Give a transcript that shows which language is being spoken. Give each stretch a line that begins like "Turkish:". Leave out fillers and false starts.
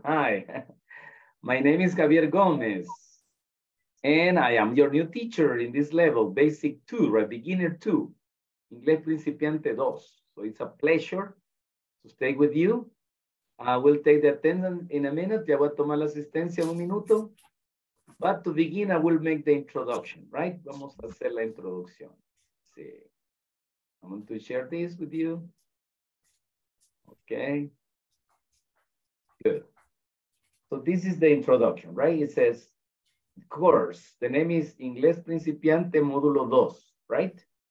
English: Hi, my name is Javier Gomez, and I am your new teacher in this level, basic two, right? Beginner two, Inglés Principiante dos. So it's a pleasure to stay with you. I will take the attendance in a minute.
Spanish: Ya voy a tomar la asistencia en un minuto.
English: But to begin, I will make the introduction, right?
Spanish: Vamos a hacer la introducción. Sí.
English: I want to share this with you. Okay. Good. So this is the introduction, right? It says, course, the name is Inglés Principiante Módulo 2, right?